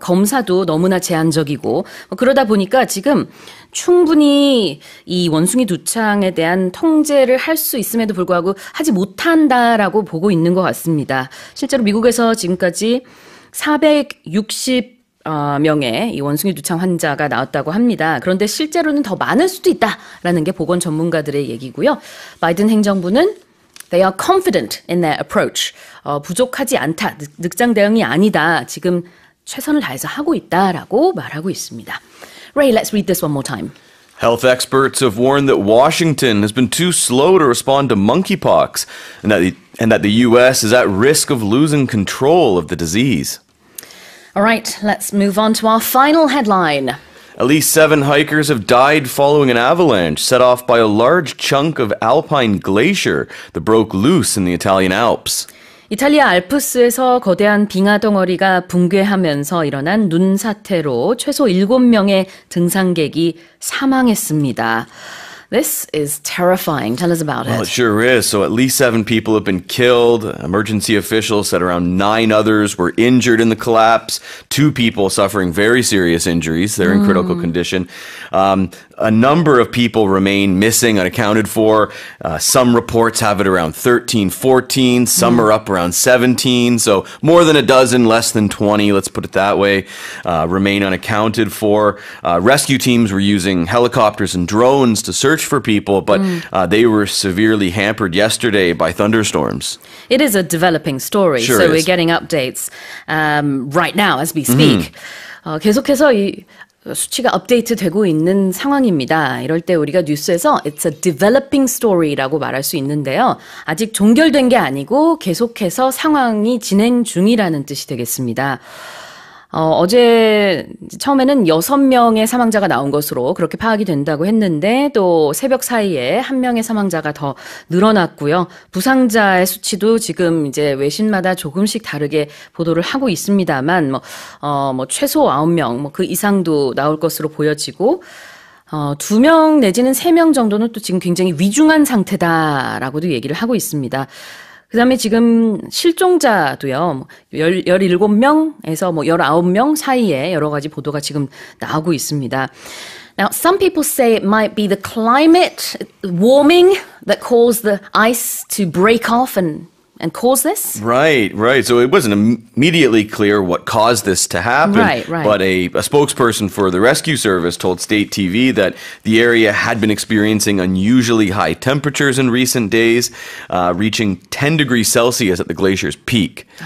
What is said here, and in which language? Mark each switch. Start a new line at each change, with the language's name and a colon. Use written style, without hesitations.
Korean: 검사도 너무나 제한적이고. 그러다 보니까 지금 충분히 이 원숭이 두창에 대한 통제를 할 수 있음에도 불구하고 하지 못한다라고 보고 있는 것 같습니다. 실제로 미국에서 지금까지 460명의 이 원숭이 두창 환자가 나왔다고 합니다. 그런데 실제로는 더 많을 수도 있다라는 게 보건 전문가들의 얘기고요. 바이든 행정부는
English: They are confident in their approach.
Korean: 부족하지 않다, 늑장 대응이 아니다. 지금 최선을 다해서 하고 있다라고 말하고 있습니다.
English: Ray, let's read this one more time. Health experts have warned that Washington has been too slow to respond to monkeypox and that the U.S. is at risk of losing control of the disease. All right, let's move on to our final headline. At least seven hikers have died following an avalanche set off by a large chunk of alpine glacier that broke loose in the Italian Alps.
Korean: 이탈리아 알프스에서 거대한 빙하 덩어리가 붕괴하면서 일어난 눈 사태로 최소 7명의 등산객이 사망했습니다.
English: This is terrifying. Tell us about it. Well, it sure is. So at least seven people have been killed. Emergency officials said around nine others were injured in the collapse. Two people suffering very serious injuries. They're in critical condition. A number of people remain missing, unaccounted for. Some reports have it around 13, 14. Some are up around 17. So more than a dozen, less than 20, let's put it that way, remain unaccounted for. Rescue teams were using helicopters and drones to search for people, but they were severely hampered yesterday by thunderstorms. It is a developing story, sure so We're getting updates right now as we speak. Mm-hmm.
Korean: 계속해서 이 수치가 업데이트 되고 있는 상황입니다. 이럴 때 우리가 뉴스에서
English: it's a developing story
Korean: 라고 말할 수 있는데요. 아직 종결된 게 아니고 계속해서 상황이 진행 중이라는 뜻이 되겠습니다. 어제 처음에는 6명의 사망자가 나온 것으로 그렇게 파악이 된다고 했는데 또 새벽 사이에 한 명의 사망자가 더 늘어났고요. 부상자의 수치도 지금 이제 외신마다 조금씩 다르게 보도를 하고 있습니다만 뭐 최소 9명 뭐 그 이상도 나올 것으로 보여지고 2명 내지는 3명 정도는 또 지금 굉장히 위중한 상태다라고도 얘기를 하고 있습니다. 그 다음에 지금 실종자도요, 17명에서 뭐 19명 사이에 여러 가지 보도가 지금 나오고 있습니다.
English: Now, some people say it might be the climate warming that caused the ice to break off and cause this? Right, right. So it wasn't immediately clear what caused this to happen. Right, right. But a spokesperson for the rescue service told State TV that the area had been experiencing unusually high temperatures in recent days, reaching 10 degrees Celsius at the glacier's peak.